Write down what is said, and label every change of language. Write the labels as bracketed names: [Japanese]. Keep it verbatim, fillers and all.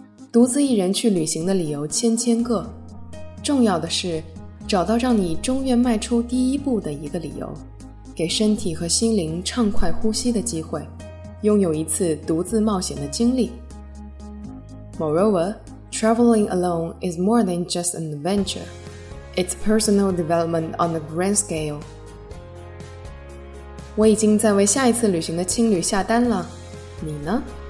[Chinese] 独自一人去旅行的理由千千个，重要的是找到让你终愿迈出第一步的一个理由，给身体和心灵畅快呼吸的机会，拥有一次独自冒险的经历。 [English] Moreover,Traveling alone is more than just an adventure. It's personal development on a grand scale. [Chinese] 我已经在为下一次旅行的青旅下单了，你呢？